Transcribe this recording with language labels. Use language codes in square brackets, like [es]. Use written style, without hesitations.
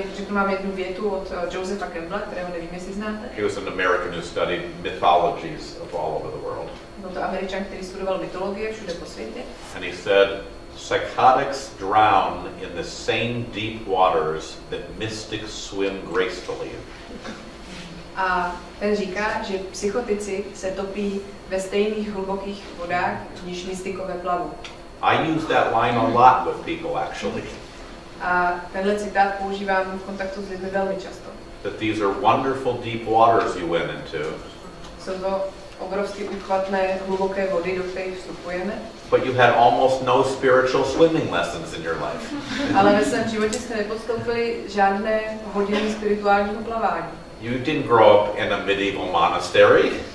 [cs] Mám jednu větu od Josepha Campbella, kterého nevím, jestli znáte. [en] He was an American who studied mythologies of all over the world. [cs] Byl to Američan, který studoval mytologie všude po světě. [en] And he said, psychotics drown in the same deep waters that mystics swim gracefully in. [cs] A ten říká, že psychotici se topí ve stejných hlubokých vodách, v níž mystikové plavou. [en] I use that line a lot with people, actually. [cs] A tenhle citát používám v kontaktu s lidmi velmi často. [en] That these are wonderful deep waters you went into. [cs] Jsou to obrovské úchvatné hluboké vody, do kterých vstupujeme. [en] But you had almost no spiritual swimming lessons in your life. [cs] Ale ve svém životě jste nepodstoupili žádné hodiny spirituálního plavání. [en] You didn't grow up in a medieval monastery.